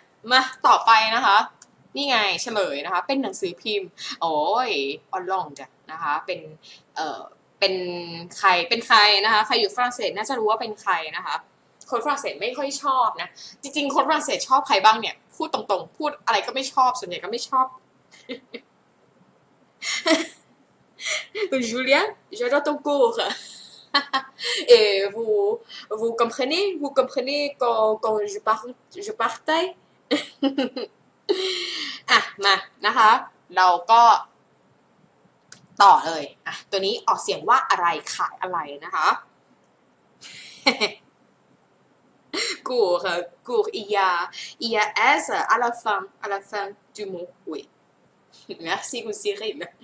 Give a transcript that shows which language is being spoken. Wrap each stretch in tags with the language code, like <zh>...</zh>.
<th>มาต่อไปนะคะนี่ไงเฉลยนะคะเป็นหนังสือพิมพ์โอ้ยออนไลน์จ้ะนะคะเป็นใครนะคะใครอยู่ฝรั่งเศสน่าจะรู้ว่าเป็นใครนะคะคนฝรั่งเศสไม่ค่อยชอบนะจริงๆคนฝรั่งเศสชอบใครบ้างเนี่ยพูดตรงๆพูดอะไรก็ไม่ชอบส่วนใหญ่ก็ไม่ชอบ</th> <fr>Julien, j'adore ton cours. Et vous comprenez, quand je partais. Ah, ma,</fr> <th>นะคะเราก็ต่อเลยอ่ะตัวนี้ออกเสียงว่าอะไรขายอะไรนะคะ</th> <fr>cours il y a s à la fin du mot oui. Merci mon Cyril.</fr>